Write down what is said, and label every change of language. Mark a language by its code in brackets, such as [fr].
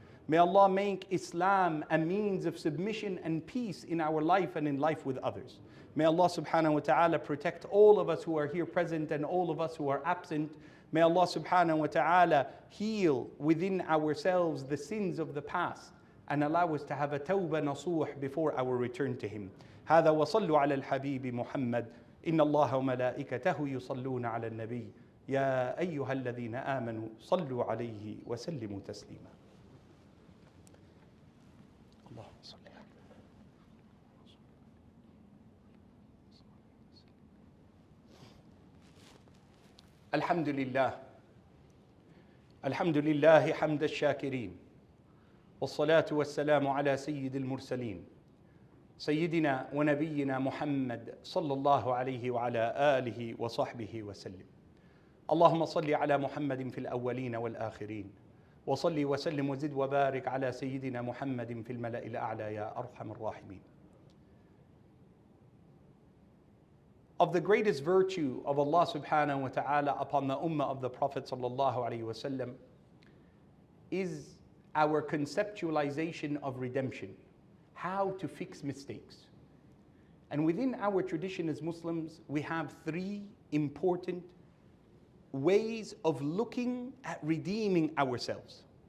[en] May Allah make Islam a means of submission and peace in our life and in life with others. May Allah subhanahu wa ta'ala protect all of us who are here present and all of us who are absent. May Allah subhanahu wa ta'ala heal within ourselves the sins of the past and allow us to have a tawbah nasuh before our return to Him. [ar] هذا وصلوا على الحبيب محمد إن الله وملائكته يصلون على النبي يا أيها الذين آمنوا صلوا عليه وسلموا تسليما. اللهم صل على الحمد لله الحمد لله حمد الشاكرين والصلاة والسلام على سيد المرسلين سيدنا ونبينا محمد صلى الله عليه وعلى آله وصحبه وسلم. اللهم صل على محمد في الأولين والآخرين وصل وسلم وزد وبارك على سيدنا محمد في الملأ الأعلى يا أرحم الراحمين. [en] Of the greatest virtue of Allah subhanahu wa ta'ala upon the ummah of the Prophet [ar] صلى الله عليه وسلم [en] is our conceptualization of redemption, how to fix mistakes. And within our tradition as Muslims, we have three important ways of looking at redeeming ourselves.